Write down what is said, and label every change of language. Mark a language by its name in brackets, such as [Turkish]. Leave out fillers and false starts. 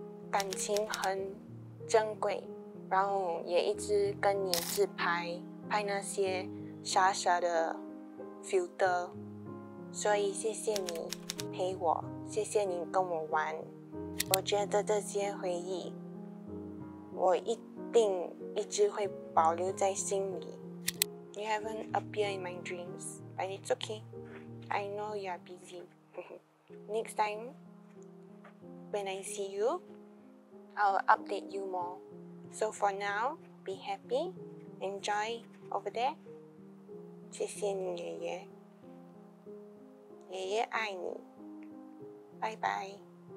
[Chinese] 感情很珍贵，然后也一直跟你自拍，拍那些傻傻的 filter， 所以谢谢你陪我，谢谢你跟我玩，我觉得这些回忆我一定一直会保留在心里。 [English] You haven't appeared in my dreams, but it's okay, I know you are busy. Next time when I see you, I'll update you more. So for now, be happy, enjoy over there. [Chinese] 谢谢你，爷爷，爷爷爱你，拜拜。